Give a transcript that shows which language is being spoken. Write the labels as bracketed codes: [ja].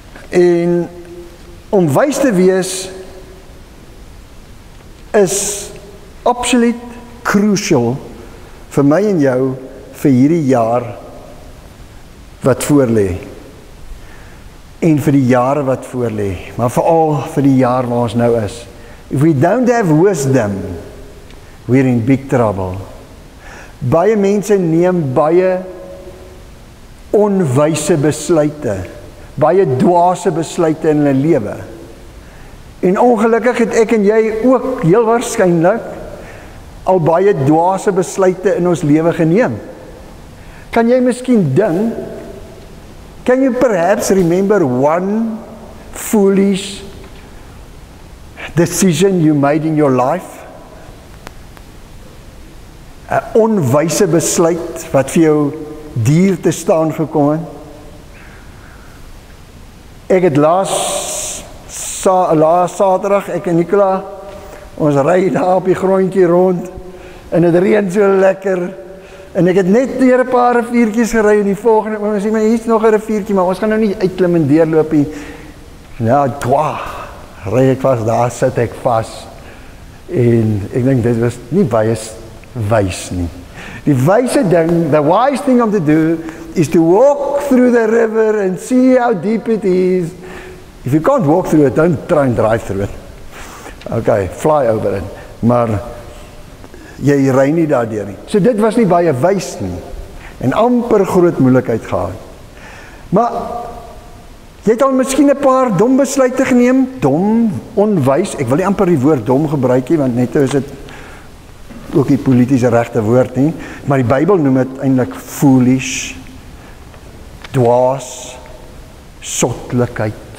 [af] En om wys te wees is absoluut crucial vir my en jou vir hierdie jaar wat voorlê. En vir die jare wat voorlê, maar vooral vir die jaar waar ons nou is. [en] If we don't have wisdom, we're in big trouble. [af] Baie mense neem baie onwyse besluite, baie dwaase besluite in hulle lewe. En ongelukkig het ek en jy ook heel waarskynlik al baie dwaase besluite in ons lewe geneem. Kan jy miskien dink, [en] can you perhaps remember one foolish decision you made in your life? [af] Een onwyse besluit wat vir jou dier te staan gekom het. Ek het laas saterdag, ek en Nicola, ons ry daar op die grondjie rond en het reen so lekker. En ek het net weer een paar riviertjies gery en die volgende, maar ons sê, hier is nog een riviertjie, maar ons gaan nou nie uitklim en deurloop nie. Nou, ry ek vas, daar sit ek vas. En ek dink, dit was nie baie wys nie. Die wyse ding, [en] the wise thing [af] om te doen, [en] is to walk through the river and see how deep it is. If you can't walk through it, don't try and drive through it. Okay, fly over it. [af] Maar jy ry nie daardeur nie. So dit was nie baie wys nie. En amper groot moeilikheid gehad. Maar jy het al miskien 'n paar dom besluite geneem, dom, onwys. Ek wil nie amper die woord dom gebruik nie, want net is dit ook die politieke regte woord nie, maar die Bybel noem dit eintlik foolish, dwaas, sotlikheid.